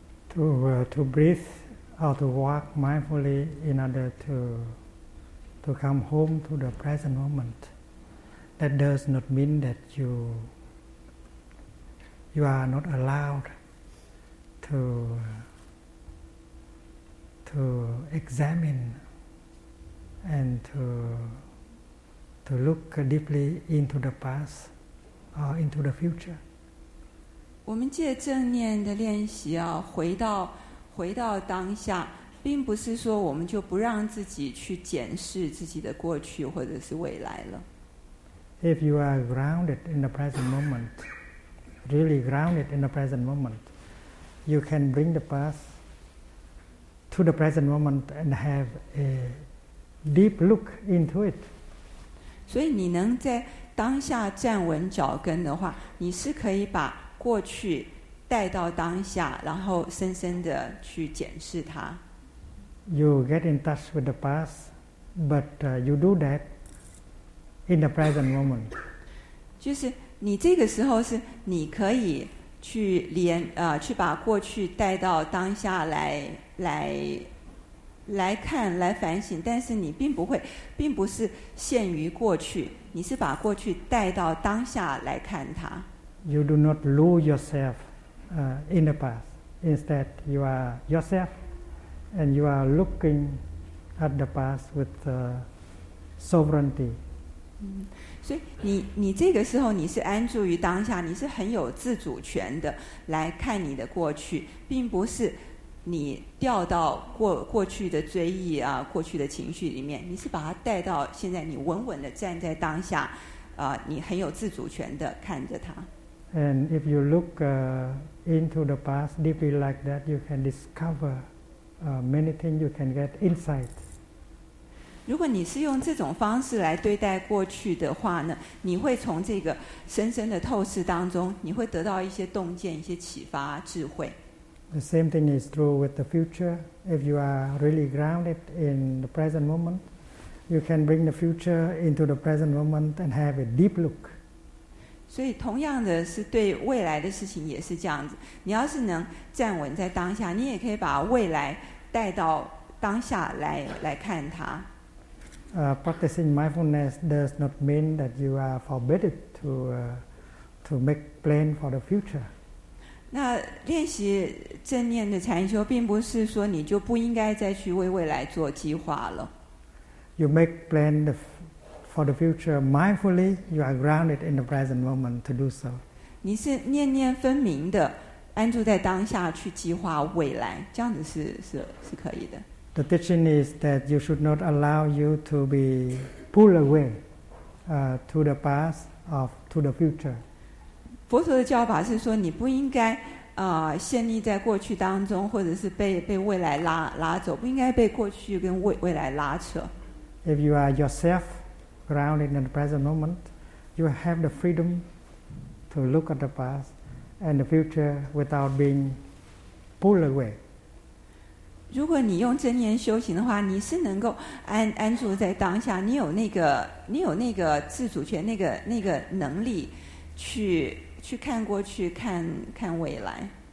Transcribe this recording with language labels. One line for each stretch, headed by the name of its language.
English: To breathe or to walk mindfully in order to come home to the present moment, that does not mean that you are not allowed to examine and to look deeply into the past or into the future.
Chinese: 我们借正念的练习啊，回到当下，并不是说我们就不让自己去检视自己的过去或者是未来了。
English: If you are grounded in the present moment, really grounded in the present moment, you can bring the past to the present moment and have a deep look into it.
Chinese: 所以你能在当下站稳脚跟的话，你是可以把过去带到当下，然后深深的去检视它。
English: You get in touch with the past, but you do that in the present moment.
Chinese: 就是你这个时候是你可以去连去把过去带到当下来看来反省，但是你并不是限于过去，你是把过去带到当下来看它。
English: You do not lose yourself in the past. Instead, you are yourself, and you are looking at the past with sovereignty.
Chinese: 所以你这个时候你是安住于当下，你是很有自主权的来看你的过去，并不是你掉到过去的追忆啊，过去的情绪里面，你是把它带到现在，你稳稳的站在当下，你很有自主权的看着它。
English: And if you look into the past deeply like that, you can discover many things. You can get insight.
Chinese: 如果你是用这种方式来对待过去的话呢，你会从这个深深的透视当中，你会得到一些洞见、一些启发、智慧。
English: The same thing is true with the future. If you are really grounded in the present moment, you can bring the future into the present moment and have a deep look.
Chinese: 所以同样的是对未来的事情也是这样子，你要是能站稳在当下，你也可以把未来带到当下来看它。
English: Practicing mindfulness does not mean that you are forbidden to make plan for the future.
Chinese: 那练习正念的禅修并不是说你就不应该再去为未来做计划了。
English: You make plan for the future mindfully, you are grounded in the present moment to do so.
Chinese: 你是念念分明的安住在当下去计划未来，这样子是可以的。
English: The teaching is that you should not allow you to be pulled away to the past or to the future.
Chinese: 佛陀的教法是说你不应该陷溺在过去当中，或者是被未来拉走，不应该被过去跟未来拉扯。
English: If you are yourselfgrounded in the present moment, you have the freedom to look at the past and the future without being pulled away.
Chinese: 如果你用正念修行的话，你是能够安住在当下，你有那个自主权，那个能力去看过去，看未来。